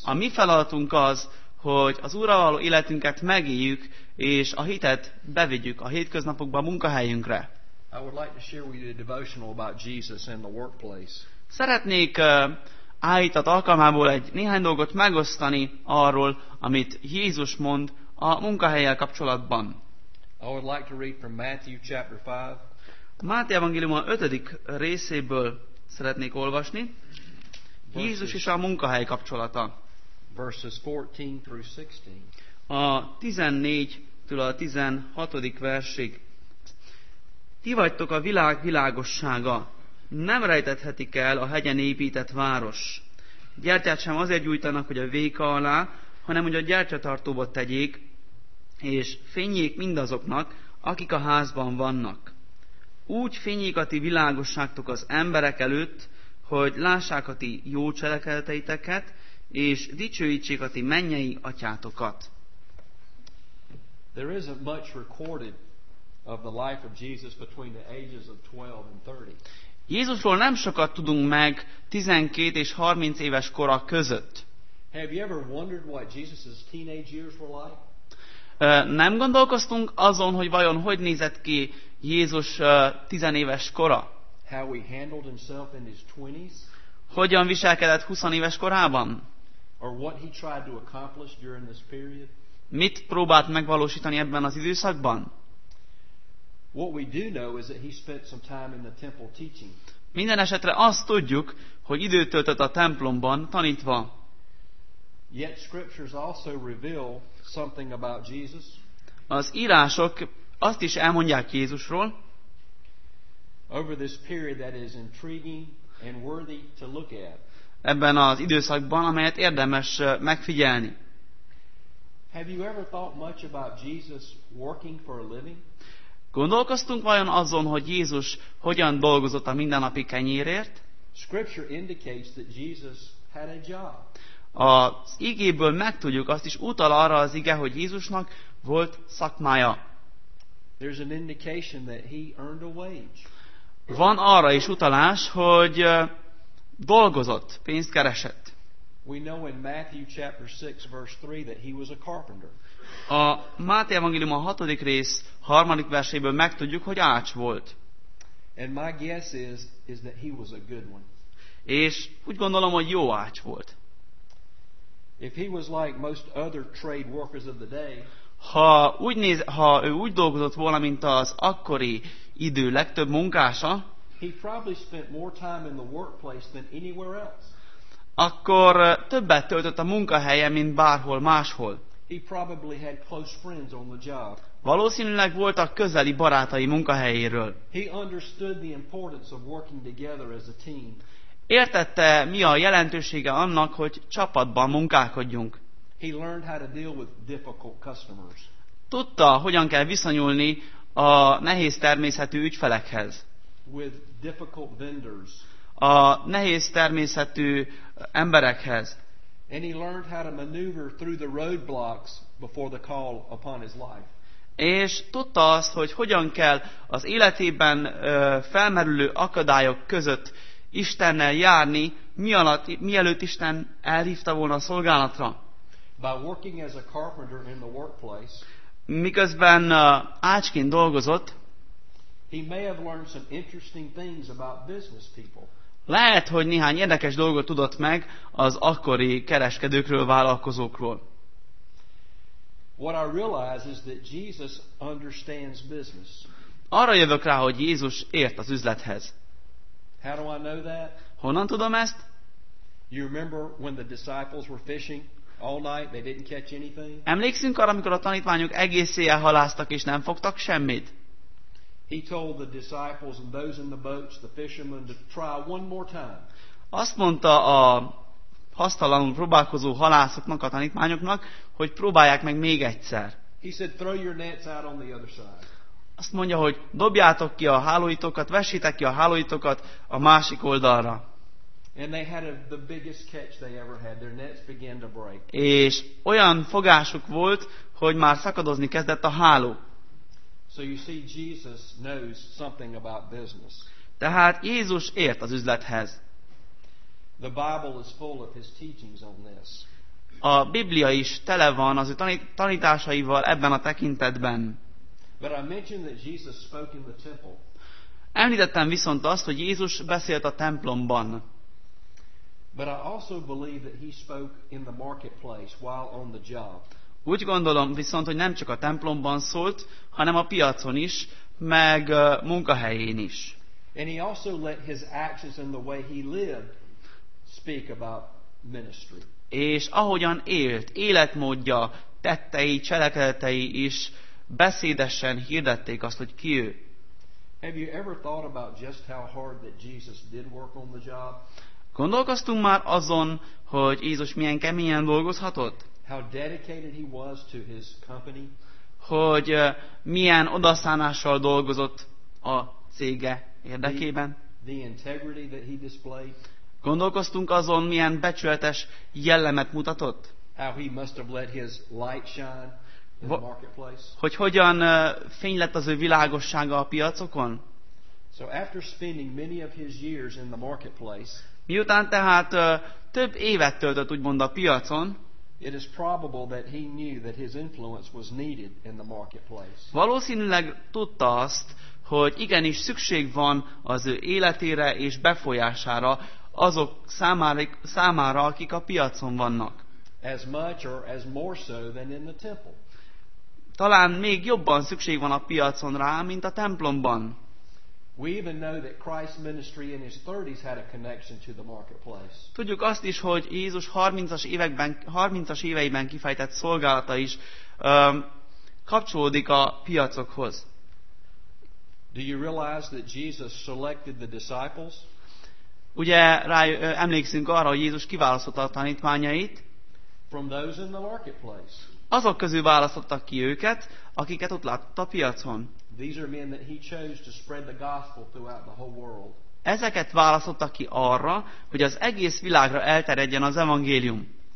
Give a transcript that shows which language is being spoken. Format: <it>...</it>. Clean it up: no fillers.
<hu>A mi feladatunk az, hogy az Úrral való életünket megéljük, és a hitet bevigyük a hétköznapokba, a munkahelyünkre.</hu> <en>I would like to share with you a devotional about Jesus in the workplace.</en> <hu>Szeretnék állítat alkalmából egy néhány dolgot megosztani arról, amit Jézus mond a munkahelyel kapcsolatban.</hu> <en>I would like to read from Matthew chapter 5.</en> <hu>Máté evangélium 5. részéből szeretnék olvasni. Jézus is a munkahely kapcsolata.</hu> <en>Verses 14 through 16.</en> <hu>A 14-től a 16. versig. Ti vagytok a világ világossága. Nem rejtethetik el a hegyen épített város. Gyertyát sem azért gyújtanak, hogy a véka alá, hanem hogy a gyertyatartóba tegyék, és fényjék mindazoknak, akik a házban vannak. Úgy fényjék a ti világosságtok az emberek előtt, hogy lássák a ti jó cselekedeteiteket, és dicsőítsék a ti mennyei atyátokat.</hu> <en>There isn't much recorded of the life of Jesus between the ages of 12 and 30.</en> <hu>Jézusról nem sokat tudunk meg 12 és 30 éves kora között.</hu> <en>Have you ever wondered what Jesus's teenage years were like?</en> <hu>Nem gondolkoztunk azon, hogy vajon hogy nézett ki Jézus tizenéves kora?</hu> <en>How he handled himself in his 20s?</en> <hu>Hogyan viselkedett 20 éves korában?</hu> <en>Or what he tried to accomplish during this period?</en> <hu>Mit próbált megvalósítani ebben az időszakban?</hu> <en>What we do know is that he spent some time in the temple teaching.</en> <hu>Minden esetre azt tudjuk, hogy időt töltött a templomban tanítva.</hu> <en>Yet scriptures also reveal something about Jesus.</en> <hu>Az írások azt is elmondják Jézusról.</hu> <en>Over this period that is intriguing and worthy to look at.</en> <hu>Ebben az időszakban, amelyet érdemes megfigyelni.</hu> <en>Have you ever thought much about Jesus working for a living?</en> <hu>Gondolkoztunk vajon azon, hogy Jézus hogyan dolgozott a mindennapi kenyérért?</hu> <en>Scripture indicates that Jesus had a job.</en> <hu>Az igéből megtudjuk, azt is utal arra az ige, hogy Jézusnak volt szakmája.</hu> <en>There's an indication that he earned a wage.</en> <hu>Van arra is utalás, hogy dolgozott, pénzt keresett.</hu> <en>We know in Matthew chapter 6 verse 3 that he was a carpenter.</en> <hu>A Máté evangélium a 6. rész 3. verséből megtudjuk, hogy ács volt.</hu> <en>And my guess is that he was a good one.</en> <hu>És úgy gondolom, hogy jó ács volt.</hu> <en>If he was like most other trade workers of the day,</en> <hu>ha ő úgy dolgozott volna, mint az akkori idő legtöbb munkása,</hu> <en>he probably spent more time in the workplace than anywhere else.</en> <hu>Akkor többet töltött a munkahelye, mint bárhol máshol.</hu> <en>He probably had close friends on the job.</en> <hu>Valószínűleg voltak közeli barátai munkahelyéről.</hu> <en>He understood the importance of working together as a team.</en> <hu>Értette, mi a jelentősége annak, hogy csapatban munkálkodjunk.</hu> <en>He learned how to deal with difficult customers.</en> <hu>Tudta, hogyan kell viszonyulni a nehéz természetű ügyfelekhez.</hu> <en>With difficult vendors.</en> <hu>A nehéz természetű emberekhez.</hu> <en>And he learned how to maneuver through the roadblocks before the call upon his life.</en> <hu>És tudta azt, hogy hogyan kell az életében felmerülő akadályok között Istennel járni, mielőtt Isten elhívta volna a szolgálatra.</hu> <en>By working as a carpenter in the workplace,</en> <hu>miközben ácsként dolgozott,</hu> <en>he may have learned some interesting things about business people.</en> <hu>Lehet, hogy néhány érdekes dolgot tudott meg az akkori kereskedőkről, vállalkozókról.</hu> <en>What I realize is that Jesus understands business.</en> <hu>Arra jövök rá, hogy Jézus ért az üzlethez.</hu> <en>How do I know that?</en> <hu>Honnan tudom ezt?</hu> <en>You remember when the disciples were fishing all night, they didn't catch anything?</en> <hu>Emlékszünk arra, amikor a tanítványok egész éjjel haláztak és nem fogtak semmit?</hu> <en>He told the disciples and those in the boats, the fishermen, to try one more time.</en> <hu>Azt mondta a hasztalanul próbálkozó halászoknak, a tanítványoknak, hogy próbálják meg még egyszer.</hu> <en>He said, throw your nets out on the other side.</en> <hu>Azt mondja, hogy dobjátok ki a hálóitokat, vessétek ki a hálóitokat a másik oldalra.</hu> <en>And they had the biggest catch they ever had. Their nets began to break.</en> <hu>És olyan fogásuk volt, hogy már szakadozni kezdett a háló.</hu> <en>So you see, Jesus knows something about business.</en> <hu>Tehát Jézus ért az üzlethez.</hu> <en>The Bible is full of his teachings on this.</en> <hu>A Biblia is tele van az ő tanításaival ebben a tekintetben.</hu> <en>But I mentioned that Jesus spoke in the temple.</en> <hu>Említettem viszont azt, hogy Jézus beszélt a templomban.</hu> <en>But I also believe that he spoke in the marketplace while on the job.</en> <hu>Úgy gondolom viszont, hogy nem csak a templomban szólt, hanem a piacon is, meg munkahelyén is.</hu> <en>And he also let his actions and the way he lived speak about ministry.</en> <hu>És ahogyan élt, életmódja, tettei, cselekedetei is beszédesen hirdették azt, hogy ki ő.</hu> <en>Have you ever thought about just how hard that Jesus did work on the job?</en> <hu>Gondolkoztunk már azon, hogy Jézus milyen keményen dolgozhatott?</hu> <en>How dedicated he was to his company.</en> <hu>Hogy milyen odaszánással dolgozott a cége érdekében.</hu> <en>The integrity that he displayed.</en> <hu>Gondolkoztunk azon, milyen becsületes jellemet mutatott.</hu> <en>How he must have let his light shine in the marketplace.</en> <hu>Hogy hogyan fény lett az ő világossága a piacokon.</hu> <en>So after spending many of his years in the marketplace,</en> <hu>miután tehát több évet töltött úgymond a piacon,</hu> <en>it is probable that he knew that his influence was needed in the marketplace.</en> <hu>Valószínűleg tudta azt, hogy igenis szükség van az ő életére és befolyására azok számára, akik a piacon vannak.</hu> <en>As much or as more so than in the temple.</en> <hu>Talán még jobban szükség van a piacon rá, mint a templomban.</hu> <en>We even know that Christ's ministry in his 30s had a connection to the marketplace.</en> <hu>Tudjuk azt is, hogy Jézus 30-as éveiben kifejtett szolgálata is kapcsolódik a piacokhoz.</hu> <en>Do you realize that Jesus selected the disciples?</en> <hu>Ugye rá emlékszünk arra, hogy Jézus kiválasztotta a tanítványait.</hu> <en>From those in the marketplace.</en> <hu>Azok közül választottak ki őket, akiket ott látott a piacon.</hu> <en>These are men that he chose to spread the gospel throughout the whole world.</en> <hu>Ezeket választotta ki arra, hogy az egész világra elterjedjen az evangélium.</hu>